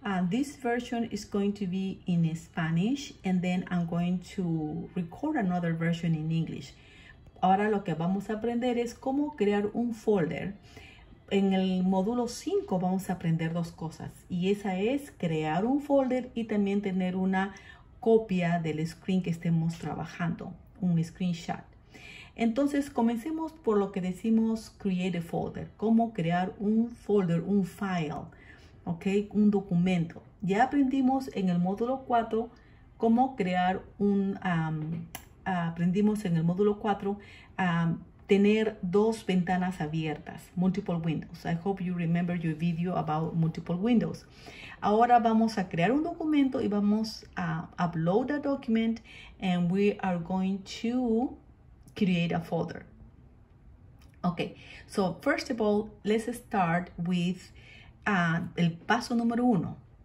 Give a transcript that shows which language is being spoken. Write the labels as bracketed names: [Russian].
[English] This version is going to be in Spanish and then I'm going to record another version in English. [Spanish] Ahora lo que vamos a aprender es cómo crear un folder. En el módulo 5 vamos a aprender dos cosas y esa es crear un folder y también tener una copia del screen que estemos trabajando, un screenshot. Entonces, comencemos por lo que decimos [English] create a folder, [Spanish] cómo crear un folder, un file, ¿ok? Un documento. Ya aprendimos en el módulo 4 cómo crear un, aprendimos en el módulo 4 tener dos ventanas abiertas, [English] multiple windows. I hope you remember your video about multiple windows. [Spanish] Ahora vamos a crear un documento y vamos a [English] upload a document and we are going to create a folder. Okay, so first of all, let's start with [Spanish] el paso número uno.